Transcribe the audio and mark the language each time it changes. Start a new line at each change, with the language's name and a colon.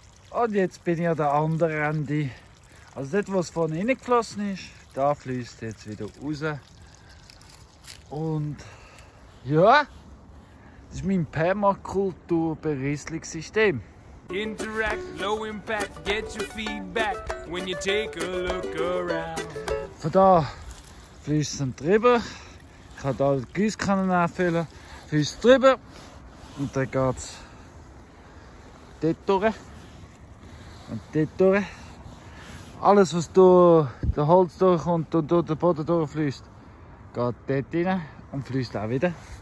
German: Und jetzt bin ich an der anderen Ende. Also dort, wo es vorne reingeflossen ist, da fließt jetzt wieder raus. Und ja, das ist mein Permakultur-Berieselungssystem.
English: Interact, low impact, get your feedback when you take a look around.
German: Von da fließt es drüber. Ich kann hier die Gießkanne anfüllen. Fließt drüber. Und dann geht es dort durch. Und dort durch. Alles, was durch das Holz durchkommt und durch den Boden durchfließt, geht dort rein und fließt auch wieder.